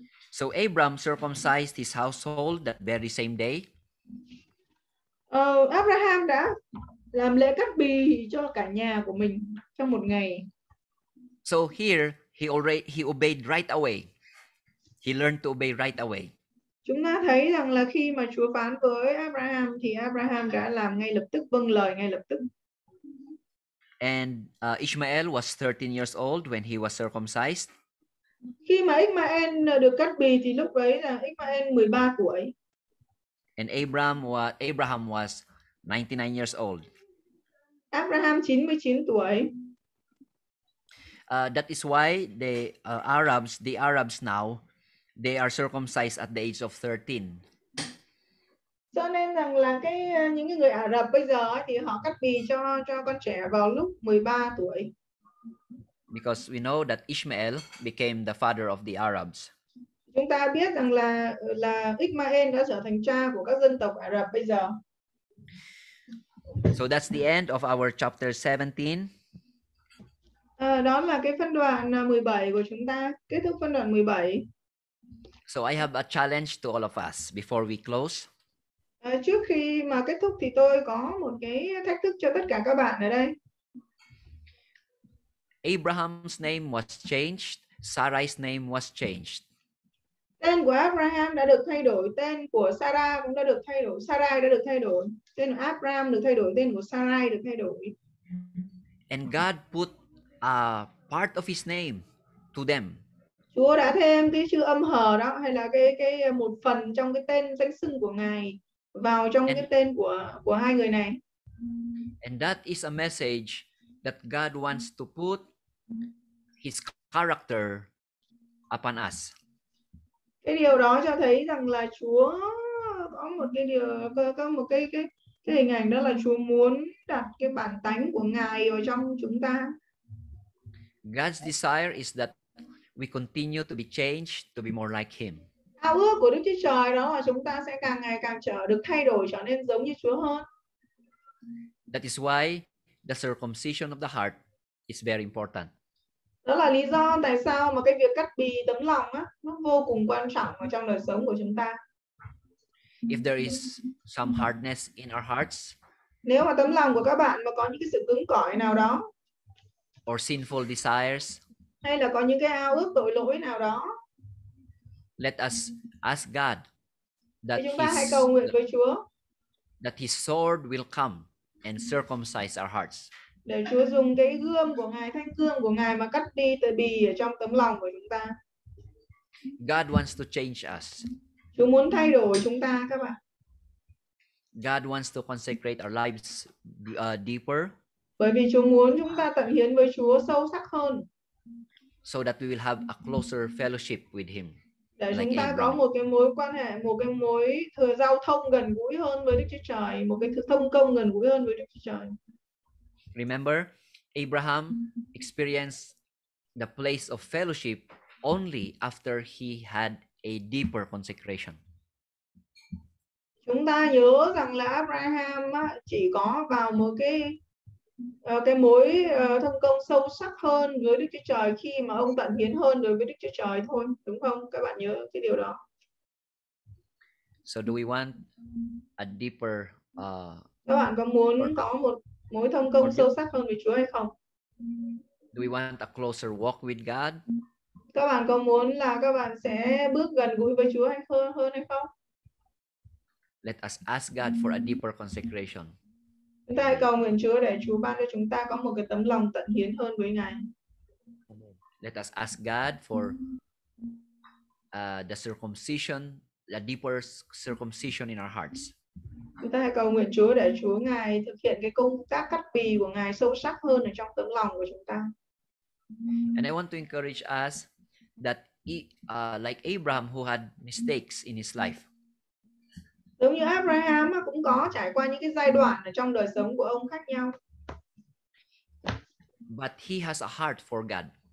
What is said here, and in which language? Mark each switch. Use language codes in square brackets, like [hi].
[en] So Abraham circumcised his household that very same day. [vi] Abraham đã làm lễ cắt bì cho cả nhà của mình trong một ngày. [en] So here he obeyed right away. He learned to obey right away. [vi] Chúng ta thấy rằng là khi mà Chúa phán với Abraham thì Abraham đã làm ngay lập tức, vâng lời ngay lập tức. [en] And Ishmael was 13 years old when he was circumcised. [vi] Khi mà Ishmael được cắt bì thì lúc đấy là Ishmael 13 tuổi. [en] And Abraham was 99 years old. [vi] Abraham 99 tuổi. [en] That is why the Arabs now, they are circumcised at the age of 13. [vi] Cho nên rằng là những người Ả Rập bây giờ thì họ cắt bì cho con trẻ vào lúc 13 tuổi. [en] Because we know that Ishmael became the father of the Arabs. [vi] Chúng ta biết rằng là Ishmael đã trở thành cha của các dân tộc Ả Rập bây giờ. [en] So that's the end of our chapter 17. [vi] Đó là cái phân đoạn 17 của chúng ta, kết thúc phân đoạn 17. [en] So I have a challenge to all of us before we close. [vi] Trước khi mà kết thúc thì tôi có một cái thách thức cho tất cả các bạn ở đây. [en] Abraham's name was changed, Sarai's name was changed. [vi] Tên của Abraham đã được thay đổi, tên của Sarah cũng đã được thay đổi, Sarai đã được thay đổi, tên của Abraham được thay đổi, tên của Sarai được thay đổi. [en] And God put a part of his name to them. [vi] Chúa đã thêm cái chữ âm hờ đó, hay là cái một phần trong cái tên danh xưng của Ngài vào trong cái tên của hai người này. [en] And that is a message that God wants to put his character upon us. [vi] Cái điều đó cho thấy rằng là Chúa có một cái điều, có một cái hình ảnh đó là Chúa muốn đặt cái bản tánh của Ngài vào trong chúng ta. [en] God's desire is that we continue to be changed, to be more like him. [vi] Ao ước của Đức Chúa Trời đó là chúng ta sẽ càng ngày càng được thay đổi, trở nên giống như Chúa hơn. [en] That is why the circumcision of the heart is very important. [vi] Đó là lý do tại sao mà cái việc cắt bì tấm lòng á, nó vô cùng quan trọng ở trong đời sống của chúng ta. [en] If there is some hardness in our hearts, [vi] nếu mà tấm lòng của các bạn mà có những cái sự cứng cỏi nào đó, [en] or sinful desires, [vi] hay là có những cái ao ước tội lỗi nào đó, [en] let us ask God that [vi] chúng ta hãy cầu nguyện với Chúa [en] that his sword will come and circumcise our hearts. [vi] Để Chúa dùng cái gươm của Ngài, thanh gươm của Ngài mà cắt đi tờ bì ở trong tấm lòng của chúng ta. [en] God wants to change us. [vi] Chúa muốn thay đổi chúng ta các bạn. [en] God wants to consecrate our lives deeper. [vi] Bởi vì Chúa muốn chúng ta tận hiến với Chúa sâu sắc hơn. [en] So that we will have a closer fellowship with him. [vi] Để like chúng ta Abraham. Có một cái mối quan hệ, một cái mối thừa giao thông gần gũi hơn với Đức Chúa Trời, một cái thông công gần gũi hơn với Đức Chúa Trời. [en] Remember, Abraham experienced the place of fellowship only after he had a deeper consecration. [vi] Chúng ta nhớ rằng là Abraham chỉ có vào một cái mối thông công sâu sắc hơn với Đức Chúa Trời khi mà ông tận hiến hơn đối với Đức Chúa Trời thôi, đúng không? Các bạn nhớ cái điều đó. [en] So do we want a deeper [vi] các bạn có muốn có một mối thông công sâu sắc hơn với Chúa hay không? [en] Do we want a closer walk with God? [vi] Các bạn có muốn là các bạn sẽ bước gần gũi với Chúa hơn hay không? [en] Let us ask God for a deeper consecration. [vi] Chúng ta hãy cầu nguyện Chúa để Chúa ban cho chúng ta có một cái tấm lòng tận hiến hơn với Ngài. [en] Let us ask God for the circumcision, the deeper circumcision in our hearts. [vi] Chúng ta hãy cầu nguyện Chúa để Chúa Ngài thực hiện cái công tác cắt bì của Ngài sâu sắc hơn ở trong tấm lòng của chúng ta. [en] And I want to encourage us that like Abraham who had mistakes in his life. [vi] Giống như Abraham cũng có trải qua những cái giai đoạn ở trong đời sống của ông khác nhau. [en] But he has a heart for God.